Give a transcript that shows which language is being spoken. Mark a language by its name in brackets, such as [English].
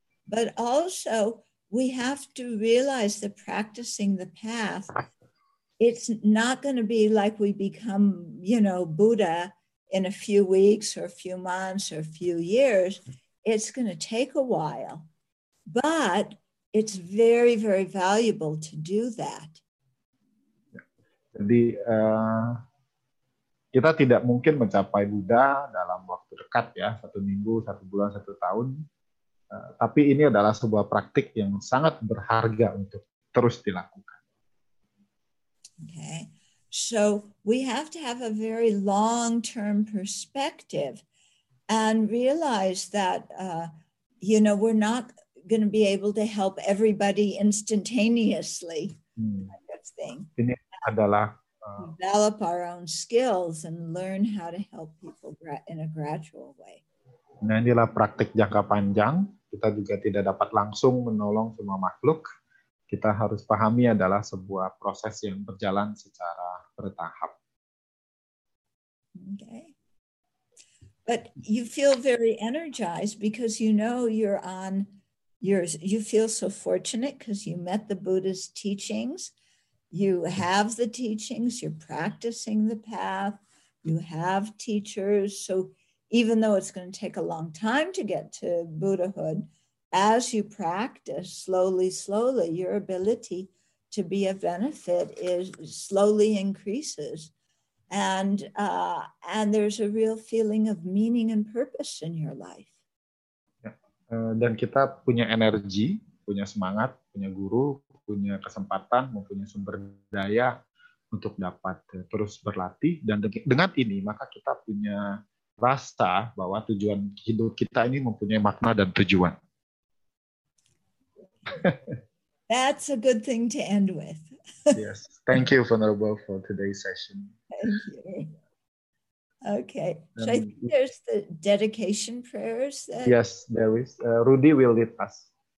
[English] But also we have to realize that practicing the path, it's not going to be like we become, you know, Buddha in a few weeks or a few months or a few years. It's going to take a while, but it's very, very valuable to do that. [Indonesian] Jadi kita tidak mungkin mencapai Buddha dalam waktu dekat ya, satu minggu, satu bulan, satu tahun. Tapi ini adalah sebuah praktik yang sangat berharga untuk terus dilakukan. [English] Okay. So we have to have a very long-term perspective and realize that, you know, we're not going to be able to help everybody instantaneously. Kind of thing. Ini adalah, develop our own skills and learn how to help people in a gradual way. [Indonesian] Nah, inilah praktik jangka panjang. Kita juga tidak dapat langsung menolong semua makhluk. Kita harus pahami adalah sebuah proses yang berjalan secara bertahap. [English] Okay. But you feel very energized because you know you're on yours. You feel so fortunate because you met the Buddha's teachings. You have the teachings. You're practicing the path. You have teachers. So even though it's going to take a long time to get to Buddhahood, as you practice slowly, slowly, your ability to be a benefit is slowly increases. And there's a real feeling of meaning and purpose in your life. [Indonesian] Dan kita punya energi punya semangat, punya guru, punya kesempatan, mempunyai sumber daya untuk dapat terus berlatih. Dan dengan ini, maka kita punya rasa bahwa tujuan hidup kita ini mempunyai makna dan tujuan. [English] That's a good thing to end with. Yes. Thank you, Venerable, for today's session. Thank you. Okay. So I think there's the dedication prayers. Yes, there is. Rudy will lead us.